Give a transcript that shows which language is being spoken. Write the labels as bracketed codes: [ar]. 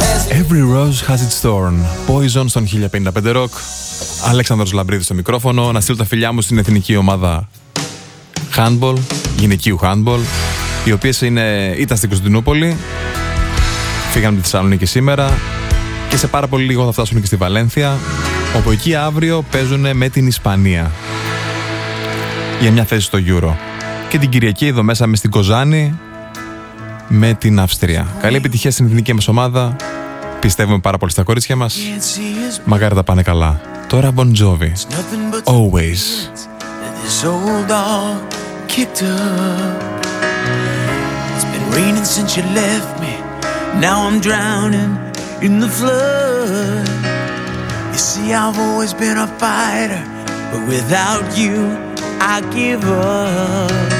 [en] Every rose has its thorn. Poison [el] στον [en] 1055 Rock. [el] Αλέξανδρος Λαμπρίδης στο μικρόφωνο. Να στείλω τα φιλιά μου στην εθνική ομάδα handball, γυναικείου handball, οι οποίες ήταν στην Κωνσταντινούπολη, φύγανε από τη Θεσσαλονίκη σήμερα και σε πάρα πολύ λίγο θα φτάσουν και στη Βαλένθια, όπου εκεί αύριο παίζουν με την Ισπανία για μια θέση στο Euro. Και την Κυριακή εδώ μέσα με στην Κοζάνη με την Αυστρία. Καλή επιτυχία στην εθνική μας ομάδα. Πιστεύουμε πάρα πολύ στα κορίτσια μας. Μακάρι τα πάνε καλά. Τώρα [en] Bon Jovi. Always. This old dog kicked up. It's been raining since you left me. Now I'm drowning in the flood. You see, I've always been a fighter, but without you I give up.